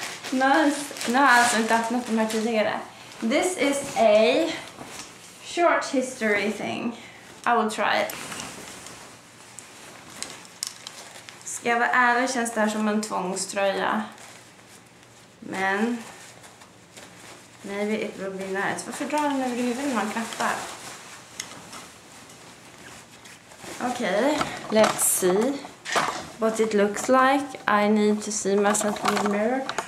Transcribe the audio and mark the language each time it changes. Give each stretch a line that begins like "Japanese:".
Swedish: Nu har jag alltså inte haft något mer tidigare.
English: This is a short history thing. I will try it.
Swedish: Ska jag vara ärlig känns det här som en tvångströja. Men...
English: maybe it will be nice.
Swedish: Varför drar den över huvudet när man knappar? Okej, okay.
English: Let's see what it looks like. I need to see myself in the mirror.